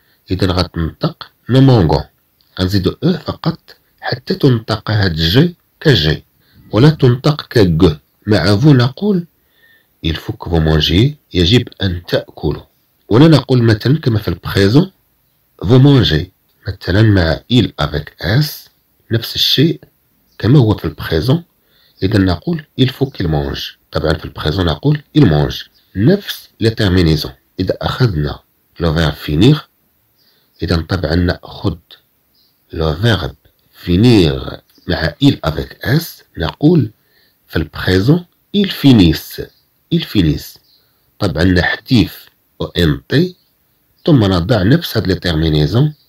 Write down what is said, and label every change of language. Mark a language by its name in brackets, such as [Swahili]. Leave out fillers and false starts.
[Arabic] إذن غتنطق [French] Nous mangeons. [Arabic] غنزيدو E فقط حتى تنطق هاد G كG ولا تنطق كG. معه نقول [French] Il faut que vous mangiez, [Arabic] يجب أن تأكلوا. ولا نقول مثلا كما في البريزون [French] Vous mangez. [Arabic] مثلا مع [French] il avec s [Arabic] نفس الشيء كما هو في البريزون. اذا نقول [French] il faut qu'il mange. [Arabic] طبعا في البريزون نقول [French] il mange [Arabic] نفس لترمينيزون. اذا اخذنا لو فيرب فينير اذا طبعا ناخذ لو فيرب فينير مع [French] il avec s [Arabic] نقول في البريزون [French] il finis [Arabic] طبعا نحذف او ان تي ثم نضع نفس هذه لترمينيزون.